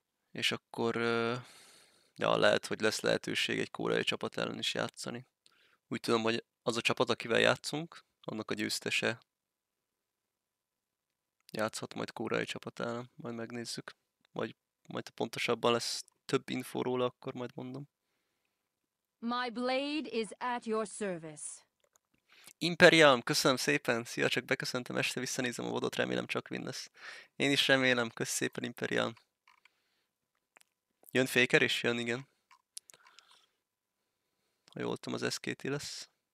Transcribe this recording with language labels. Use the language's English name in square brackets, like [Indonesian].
[Hungarian] És akkor ja, lehet, hogy lesz lehetőség egy koreai csapat ellen is játszani. Úgy tudom, hogy az a csapat, akivel játszunk, annak a győztese játszhat majd koreai csapat ellen. Majd megnézzük. Majd pontosabban lesz több info róla, akkor majd mondom. [English] My blade is at your service. [Hungarian] Imperium, köszönöm szépen, szia, csak beköszöntem, este visszanézem a vodot, remélem csak win lesz. Én is remélem, kösz szépen Imperium. Jön Faker is? Jön, igen. Ha jól tudom, az SKT lesz.